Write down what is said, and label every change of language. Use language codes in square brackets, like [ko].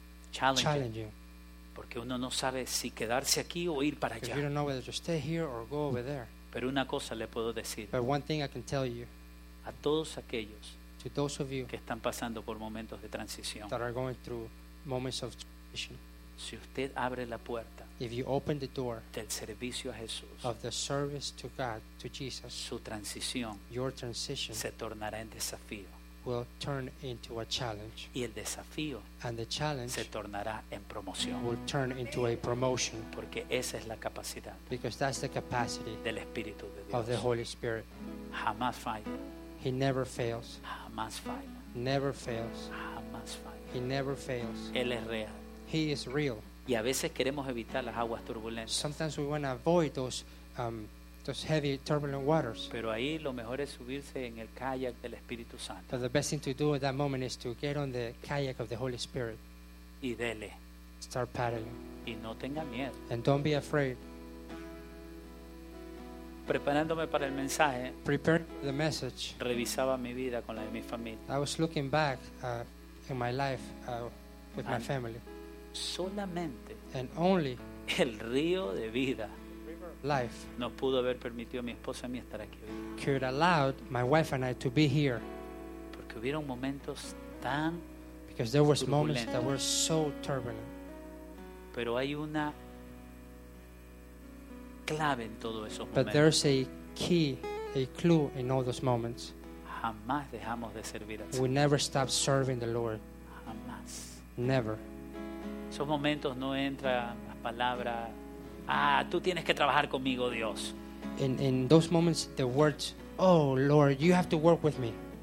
[es] challenging, porque uno no sabe si quedarse aquí o ir para allá. [en] You don't know whether to stay here or go over there. [es] Pero una cosa le puedo decir, [en] but one thing I can tell you, [es] a todos aquellos, [en] to those of you [es] que están pasando por momentos de transición, [en] that are going through moments of transition, [es] si usted abre la puerta, [en] if you open the door, [es] del servicio a Jesús, [en] of the service to God, to Jesus, [es] su transición, [en] your transition, [es] se tornará en desafío, [en] will turn into a challenge, [es] y el desafío, [en] and the challenge, [es] se tornará en promoción, [en] will turn into a promotion, [es] porque esa es la capacidad, [en] because that's the capacity, [es] del Espíritu de Dios, [en] of the Holy Spirit. [es] Jamás falla. [en] He never fails. [es] Jamás falla. [en] Never fails. [es] Jamás falla. [en] He never fails. [es] Él es real. [en] He is real. [es] Y a veces queremos evitar las aguas turbulentas. [en] Sometimes we want to avoid those heavy turbulent waters. [es] Pero ahí lo mejor es subirse en el kayak del Espíritu Santo. [en] But the best thing to do at that moment is to get on the kayak of the Holy Spirit. [es] Y dele. [en] Start paddling. [es] Y no tenga miedo. [en] And don't be afraid. [es] Preparándome para el mensaje, [en] preparing the message, [es] revisaba mi vida con la de mi familia. [en] I was looking back in my life with my family. [es] Solamente, [en] and only, [es] el río de vida, [en] the river of life. [es] No pudo haber permitido a mi esposa y a mí estar aquí hoy. [en] Could allowed my wife and I to be here. [es] Porque hubieron momentos tan [en] because there was moments that were so turbulent. [es] Pero hay una clave en todos esos momentos. [en] But there's a key, a clue in all those moments. [es] Jamás dejamos de servir al Señor. [en] We never stop serving the Lord. [es] Jamás. [en] Never. [es] Esos momentos no entra la palabra. Ah, tú tienes que trabajar conmigo, Dios. [en] In those moments, the words, "Oh Lord, you have to work with me."